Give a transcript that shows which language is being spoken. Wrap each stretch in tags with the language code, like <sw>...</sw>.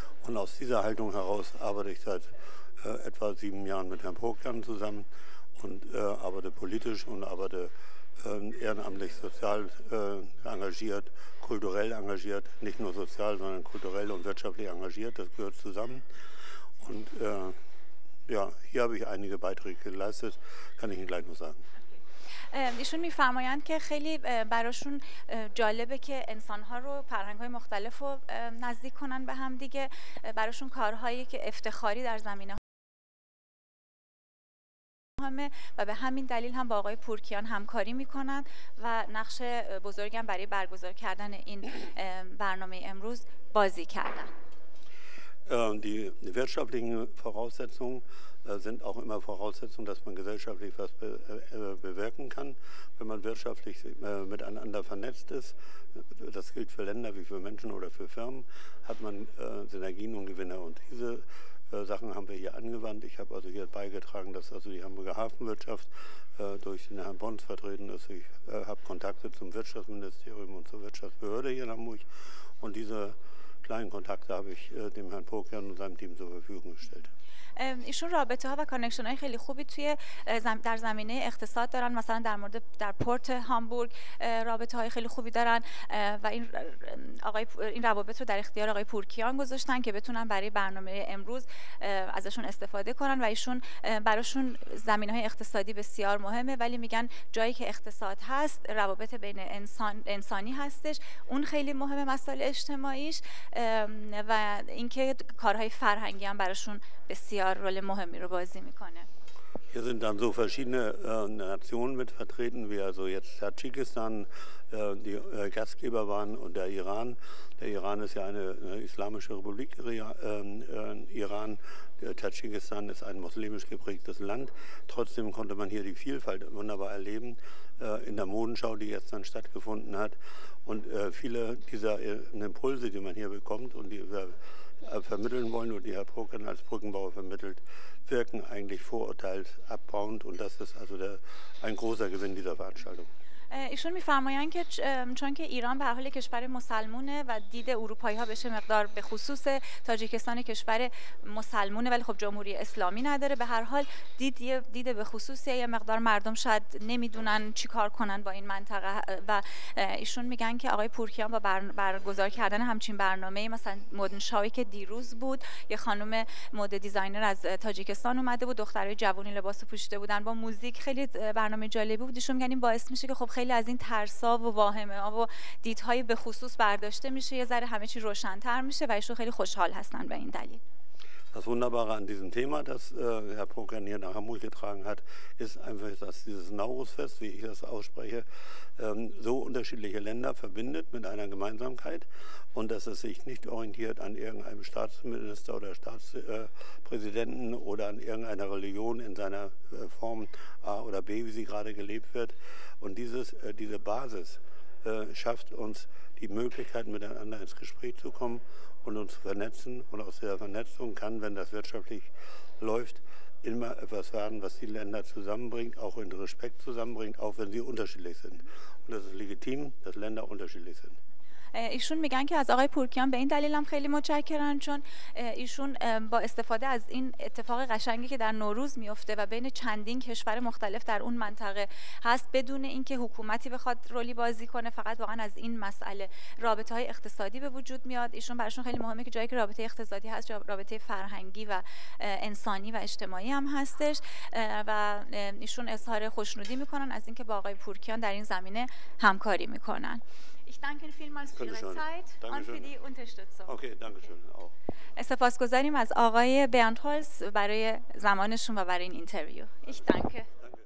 <de>Und aus dieser Haltung heraus arbeite ich seit etwa 7 Jahren mit Herrn Prokern zusammen und arbeite politisch und arbeite ehrenamtlich, sozial engagiert, kulturell engagiert, nicht nur sozial, sondern kulturell und wirtschaftlich engagiert. Das gehört zusammen. Und hier habe ich einige Beiträge geleistet, kann ich Ihnen gleich noch sagen.</de> <fa>ایشون میفرمایند که خیلی براشون جالبه که انسانها رو فرهنگ‌های مختلف رو نزدیک کنن به هم دیگه، براشون کارهایی که افتخاری در زمینه همه و به همین دلیل هم با آقای پورکیان همکاری میکنن و نقش بزرگم برای برگزار کردن این برنامه امروز بازی کردن.</fa> <de>Die wirtschaftlichen Voraussetzungen sind auch immer Voraussetzungen, dass man gesellschaftlich was bewirken kann, wenn man wirtschaftlich miteinander vernetzt ist. Das gilt für Länder wie für Menschen oder für Firmen, hat man Synergien und Gewinne. Und diese Sachen haben wir hier angewandt. Ich habe also hier beigetragen, dass also die Hamburger Hafenwirtschaft durch den Herrn Bonds vertreten ist. Ich habe Kontakte zum Wirtschaftsministerium und zur Wirtschaftsbehörde hier in Hamburg. Und diese kleinen Kontakte habe ich dem Herrn Pokern und seinem Team zur Verfügung gestellt.</de> <fa>ایشون رابطه ها و کانکشن های خیلی خوبی توی در زمینه اقتصاد دارن، مثلا در مورد در پورت هامبورگ رابطه های خیلی خوبی دارن و این روابط رو در اختیار آقای پورکیان گذاشتن که بتونن برای برنامه امروز ازشون استفاده کنن و ایشون براشون زمینه های اقتصادی بسیار مهمه، ولی میگن جایی که اقتصاد هست روابط بین انسانی هستش، اون خیلی مهمه مسائل اجتماعیش و اینکه کارهای فرهنگی هم براشون بسیار رول مهمی رو بازی میکنه.</fa> <de>Hier sind dann so verschiedene Nationen mit vertreten, wie also jetzt Tadschikistan, die Gastgeber waren und der Iran. Der Iran ist ja eine islamische Republik. Iran, Tadschikistan ist ein muslimisch geprägtes Land. Trotzdem konnte man hier die Vielfalt wunderbar erleben in der Modenschau, die jetzt dann stattgefunden hat. Und viele dieser Impulse, die man hier bekommt und die wir vermitteln wollen und die Herr Brucken als Brückenbauer vermittelt, wirken eigentlich vorurteilsabbauend und das ist also ein großer Gewinn dieser Veranstaltung.</de> <fa>ایشون میفرمایند که چون که ایران به هر حال کشور مسلمونه و دید اروپایی ها بهش مقدار به خصوص تاجیکستان کشور مسلمونه، ولی خب جمهوری اسلامی نداره، به هر حال دید به خصوصیه، یه مقدار مردم شاید نمیدونن چی کار کنن با این منطقه و ایشون میگن که آقای پورکیان با برگزار کردن همچین برنامه، مثلا مدن شایی که دیروز بود، یه خانم مد دیزاینر از تاجیکستان اومده بود، دخترای جوونی لباس پوشیده بودن با موزیک، خیلی برنامه جالبی بود. ایشون میگن این باعث میشه خب خیلی از این ترسا و واهمه ها و دیدهای به خصوص برداشته میشه، یه ذره همه چی روشن‌تر میشه و ایشون خیلی خوشحال هستن به این دلیل.</fa> <de>Das Wunderbare an diesem Thema, das Herr Pokern hier nach Hamburg getragen hat, ist einfach, dass dieses Nauruz-Fest, wie ich das ausspreche, so unterschiedliche Länder verbindet mit einer Gemeinsamkeit und dass es sich nicht orientiert an irgendeinem Staatsminister oder Staatspräsidenten oder an irgendeiner Religion in seiner Form A oder B, wie sie gerade gelebt wird. Und diese Basis schafft uns die Möglichkeit, miteinander ins Gespräch zu kommen und uns zu vernetzen, und aus der Vernetzung kann, wenn das wirtschaftlich läuft, immer etwas werden, was die Länder zusammenbringt, auch in Respekt zusammenbringt, auch wenn sie unterschiedlich sind. Und das ist legitim, dass Länder unterschiedlich sind.</de> <fa>ایشون میگن که از آقای پورکیان به این دلیل هم خیلی متشکرن، چون ایشون با استفاده از این اتفاق قشنگی که در نوروز میفته و بین چندین کشور مختلف در اون منطقه هست، بدون اینکه حکومتی بخواد رولی بازی کنه، فقط واقعا از این مسئله رابطه های اقتصادی به وجود میاد. ایشون براشون خیلی مهمه که جایی که رابطه اقتصادی هست، رابطه فرهنگی و انسانی و اجتماعی هم هستش و ایشون اظهار خوشنودی میکنن از اینکه با آقای پورکیان در این زمینه همکاری میکنن.</fa> <de>Ich danke Ihnen vielmals für Ihre Zeit und für die Unterstützung. Okay, danke schön.</de> <fa>سپاسگزاریم از آقای برندهولز برای زمانشون و برای این اینترویو.</fa> <de>Ich danke.</de>